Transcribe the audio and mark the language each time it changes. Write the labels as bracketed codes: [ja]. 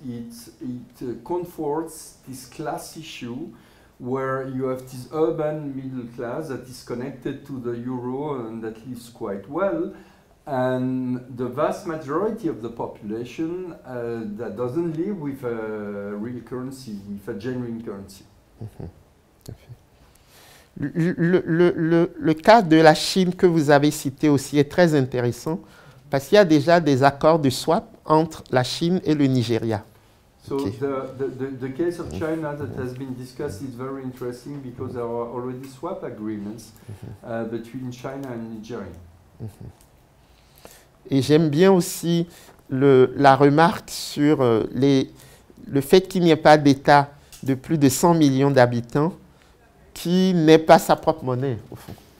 [en] It comforts this class issue, where you have this urban middle class that is connected to the euro and that lives quite well, and the vast majority of the population that doesn't live with a real currency, with a genuine currency. [fr] Le cas de la Chine que vous avez cité aussi est très intéressant, parce qu'il y a déjà des accords de swap entre la Chine et le Nigeria. [en] So okay. the case of China that has been discussed is very interesting because there are already swap agreements between China and Nigeria. Mm-hmm. [fr] Et j'aime bien aussi la remarque sur le fait qu'il n'y ait pas d'État de plus de 100 millions d'habitants qui n'ait pas sa propre monnaie, au fond.